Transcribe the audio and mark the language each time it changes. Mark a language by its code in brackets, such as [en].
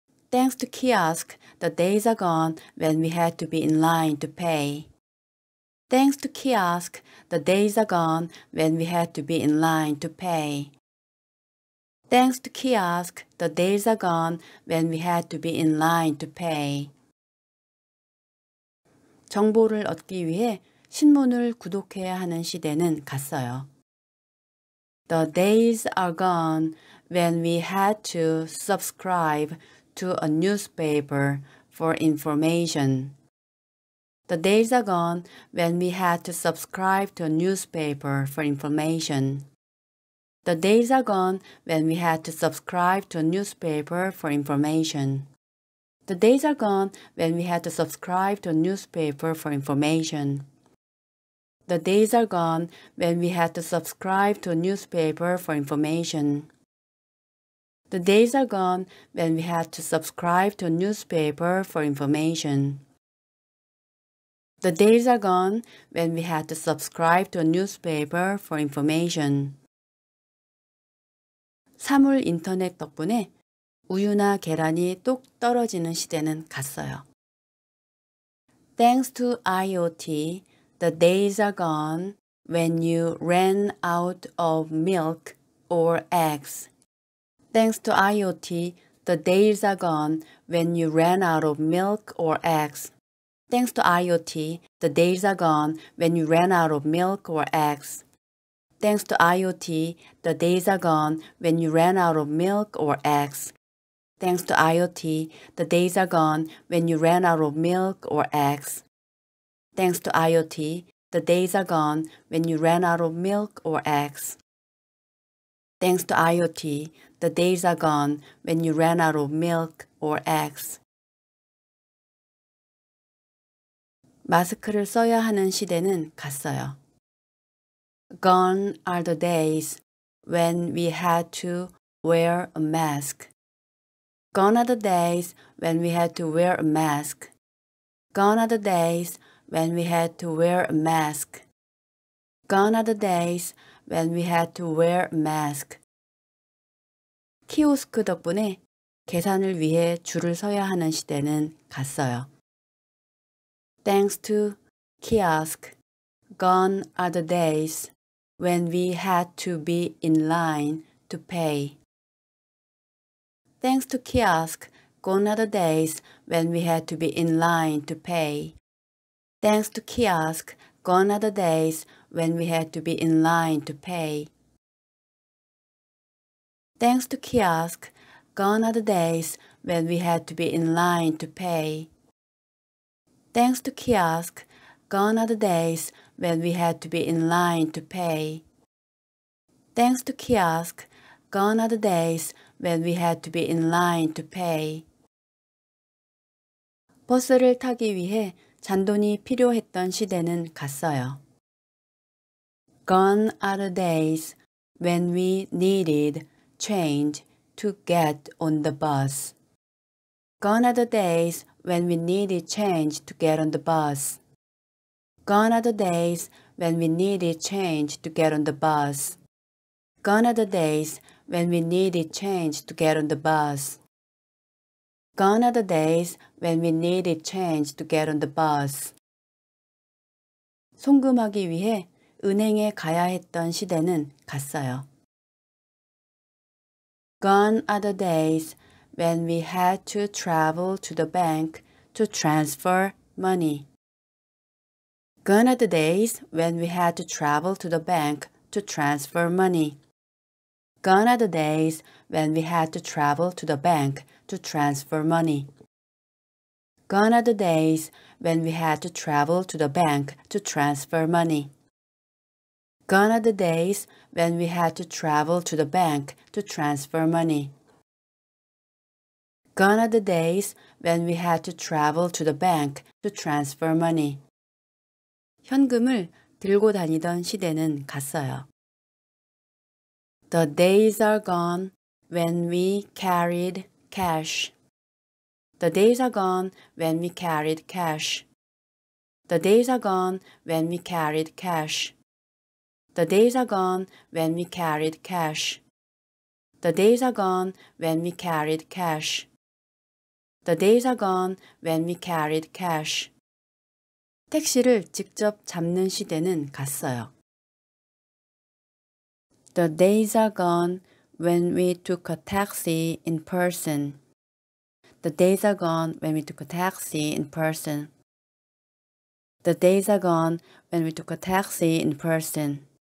[en] Thanks to kiosk, the days are gone when we had to be in line to pay. Thanks to kiosk, the days are gone when we had to be in line to pay. Thanks to kiosk, the days are gone when we had to be in line to pay. [ko] 정보를 얻기 위해 신문을 구독해야 하는 시대는 갔어요. [en] The days are gone when we had to subscribe to a newspaper for information. The days are gone when we had to subscribe to a newspaper for information. The days are gone when we had to subscribe to a newspaper for information. The days are gone when we had to subscribe to a newspaper for information. The days are gone when we had to subscribe to a newspaper for information. The days are gone when we had to subscribe to a newspaper for information. The days are gone when we had to subscribe to a newspaper for information. [ko] 사물인터넷 덕분에 우유나 계란이 뚝 떨어지는 시대는 갔어요. [en] Thanks to IoT, the days are gone when you ran out of milk or eggs. Thanks to IoT, the days are gone when you ran out of milk or eggs. Thanks to IoT, the days are gone when you ran out of milk or eggs. Thanks to IoT, the days are gone when you ran out of milk or eggs. Thanks to IoT, the days are gone when you ran out of milk or eggs. Thanks to IoT, the days are gone when you ran out of milk or eggs. Thanks to IoT, the days are gone when you ran out of milk or eggs. [ko] 마스크를 써야 하는 시대는 갔어요. [en] Gone are the days when we had to wear a mask. Gone are the days when we had to wear a mask. Gone are the days when we had to wear a mask. Gone are the days when we had to wear a mask. [ko] 키오스크 덕분에 계산을 위해 줄을 서야 하는 시대는 갔어요. [en] Thanks to kiosk, gone are the days when we had to be in line to pay. Thanks to kiosk, gone are the days when we had to be in line to pay. Thanks to kiosk, gone are the days when we had to be in line to pay. Thanks to kiosk, gone are the days when we had to be in line to pay. Thanks to kiosk, gone are the days when we had to be in line to pay. Thanks to kiosk, gone are the days when we had to be in line to pay. [ko] 버스를 타기 위해 잔돈이 필요했던 시대는 갔어요. [en] Gone are the days when we needed change to get on the bus. Gone are the days when we needed change to get on the bus. Gone are the days when we needed change to get on the bus. Gone are the days when we needed change to get on the bus. Gone are the days when we needed change to get on the bus. [ko] 송금하기 위해 은행에 가야 했던 시대는 갔어요. [en] Gone are the days when we had to travel to the bank to transfer money. Gone are the days when we had to travel to the bank to transfer money. Gone are the days when we had to travel to the bank to transfer money. Gone are the days when we had to travel to the bank to transfer money. Gone are the days when we had to travel to the bank to transfer money. Gone are the days when we had to travel to the bank to transfer money. [ko] 현금을 들고 다니던 시대는 갔어요. [en] The days are gone when we carried cash. The days are gone when we carried cash. The days are gone when we carried cash. The days are gone when we carried cash. The days are gone when we carried cash. The days are gone when we carried cash. [ko] 택시를 직접 잡는 시대는 갔어요. [en] The days are gone when we took a taxi in person. The days are gone when we took a taxi in person. The days are gone when we took a taxi in person.